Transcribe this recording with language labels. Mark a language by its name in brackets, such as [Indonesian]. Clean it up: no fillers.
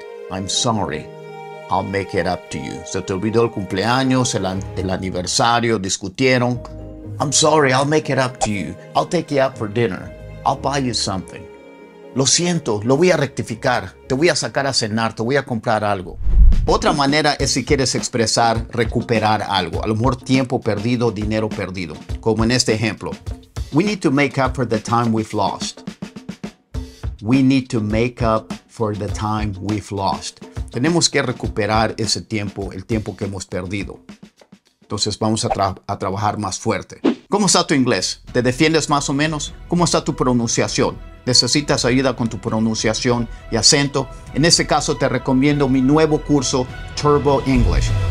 [English] I'm sorry, I'll make it up to you. [Spanish] Se te olvidó el cumpleaños, el aniversario, discutieron. [English] I'm sorry, I'll make it up to you. I'll take you out for dinner. I'll buy you something. [Spanish] Lo siento, lo voy a rectificar. Te voy a sacar a cenar, te voy a comprar algo. Otra manera es si quieres expresar recuperar algo. A lo mejor tiempo perdido, dinero perdido. Como en este ejemplo. [English] We need to make up for the time we've lost. We need to make up for the time we've lost. [Spanish] Tenemos que recuperar ese tiempo, el tiempo que hemos perdido. Entonces vamos a trabajar más fuerte. ¿Cómo está tu inglés? ¿Te defiendes más o menos? ¿Cómo está tu pronunciación? ¿Necesitas ayuda con tu pronunciación y acento? En ese caso, te recomiendo mi nuevo curso Turbo English.